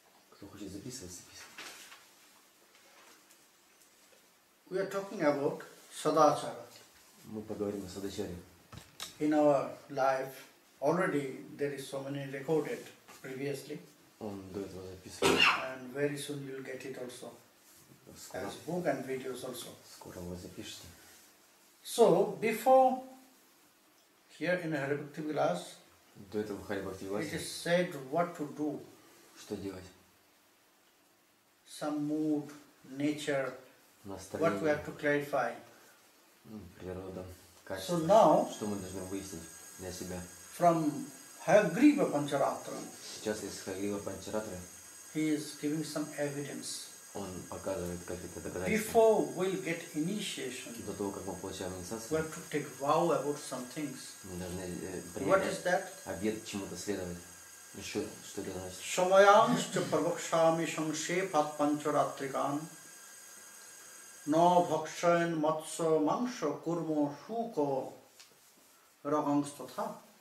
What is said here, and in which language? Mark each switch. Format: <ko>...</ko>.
<ru>Кто хочет записывать, записывай.</ru> <en>We are talking about sadachara.</en> <ru>Мы поговорим о садачаре.</ru> <en>In our life, already there is so many recorded previously.</en> <ru>Он до этого записывал.</ru> <en>And very soon you will get it also.</en> <ru>Скоро.</ru> <en>As book and videos also.</en> <ru>Скоро вы запишете.</ru> <en>So, before here in Hare Bhakti Vilas,</en> <ru>до этого Hare Bhakti</ru> <en>Vilas, it is said what to do.</en> <ru>Что делать?</ru> <en>Some mood, nature,</en> <ru>настроение.</ru> <en>What we have to clarify.</en> <ru>Природа, качество.</ru> <en>So now,</en> <ru>что мы должны выяснить для себя?</ru> <en>From Hayagriva Pancharatra.</en> <ru>Сейчас из Хайгрива Панчаратры.</ru> <en>He is giving some evidence.</en> <ru>Он показывает какие-то доказательства.</ru> <en>Before we get initiation,</en> <ru>до того как мы получаем инициацию,</ru> <en>we have to take vow about some things.</en> <ru>Мы должны</ru> <en>What is that?</en> <ru>Обет чему-то следовать. Еще что это значит?</ru> <sa>Шамаянщ парвакшами шамшепат панчаратрикан на бхакшайн матсо мангшо курмо шуко рагангстатха.</sa>